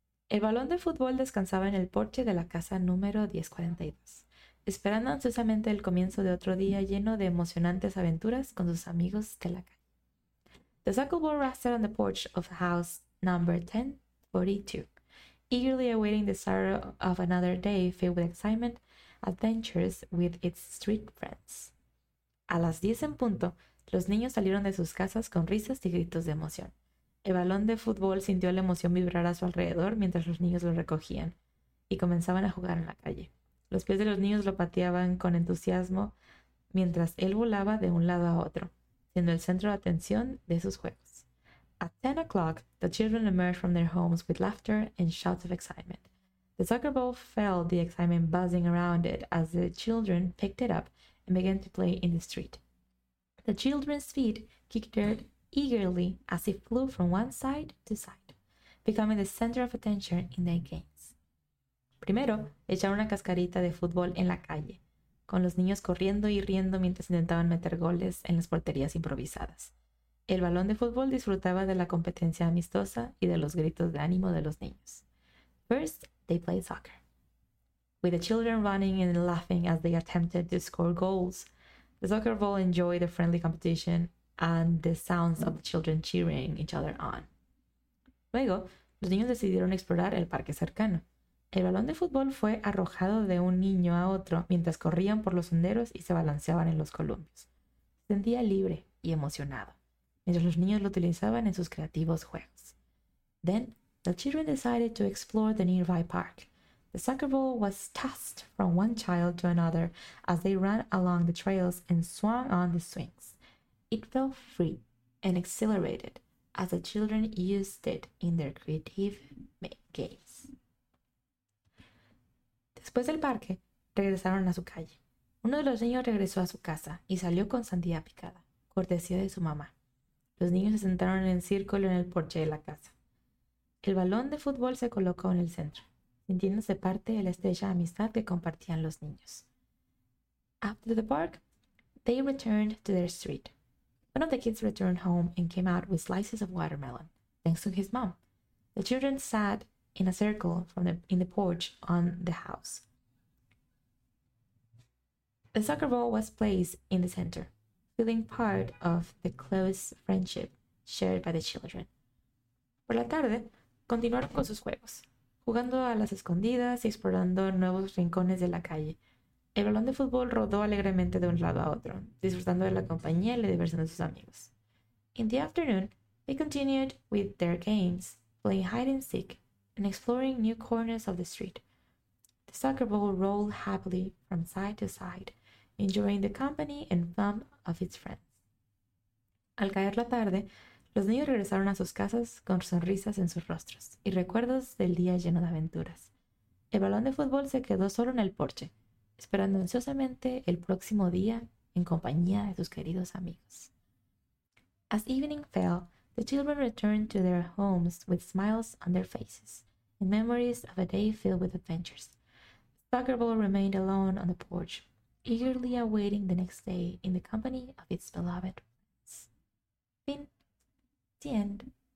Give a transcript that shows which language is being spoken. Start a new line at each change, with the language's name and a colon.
Spanish: El balón de fútbol descansaba en el porche de la casa número 1042, esperando ansiosamente el comienzo de otro día lleno de emocionantes aventuras con sus amigos de la calle.
English: The soccer ball rested on the porch of house number 1042, eagerly awaiting the start of another day filled with excitement, adventures with its street friends.
Spanish: A las 10 en punto, los niños salieron de sus casas con risas y gritos de emoción. El balón de fútbol sintió la emoción vibrar a su alrededor mientras los niños lo recogían y comenzaban a jugar en la calle. Los pies de los niños lo pateaban con entusiasmo mientras él volaba de un lado a otro, siendo el centro de atención de sus juegos.
English: At 10 o'clock, the children emerged from their homes with laughter and shouts of excitement. The soccer ball felt the excitement buzzing around it as the children picked it up and began to play in the street. The children's feet kicked dirt eagerly as it flew from one side to side, becoming the center of attention in their games.
Spanish: Primero, echaron una cascarita de fútbol en la calle, con los niños corriendo y riendo mientras intentaban meter goles en las porterías improvisadas. El balón de fútbol disfrutaba de la competencia amistosa y de los gritos de ánimo de los niños.
English: First, they played soccer. With the children running and laughing as they attempted to score goals, the soccer ball enjoyed the friendly competition and the sounds of the children cheering each other on.
Spanish: Luego, los niños decidieron explorar el parque cercano. El balón de fútbol fue arrojado de un niño a otro mientras corrían por los senderos y se balanceaban en los columpios. Se sentía libre y emocionado, mientras los niños lo utilizaban en sus creativos juegos.
English: Then, the children decided to explore the nearby park. The soccer ball was tossed from one child to another as they ran along the trails and swung on the swings. It felt free and exhilarated as the children used it in their creative games.
Spanish: Después del parque, regresaron a su calle. Uno de los niños regresó a su casa y salió con sandía picada, cortesía de su mamá. Los niños se sentaron en círculo en el porche de la casa. El balón de fútbol se colocó en el centro, sintiéndose parte de la estrecha amistad que compartían los niños.
English: After the park, they returned to their street. One of the kids returned home and came out with slices of watermelon, thanks to his mom. The children sat in a circle in the porch on the house. The soccer ball was placed in the center, feeling part of the close friendship shared by the children.
Spanish: Por la tarde, continuaron con sus juegos, jugando a las escondidas y explorando nuevos rincones de la calle. El balón de fútbol rodó alegremente de un lado a otro, disfrutando de la compañía y la diversión de sus amigos.
English: In the afternoon, they continued with their games, playing hide-and-seek and exploring new corners of the street. The soccer ball rolled happily from side to side, enjoying the company and fun of its friends.
Spanish: Al caer la tarde, los niños regresaron a sus casas con sonrisas en sus rostros y recuerdos del día lleno de aventuras. El balón de fútbol se quedó solo en el porche, esperando ansiosamente el próximo día en compañía de sus queridos amigos.
English: As evening fell, the children returned to their homes with smiles on their faces and memories of a day filled with adventures. The soccer ball remained alone on the porch, eagerly awaiting the next day in the company of its beloved friends. Fin. The end.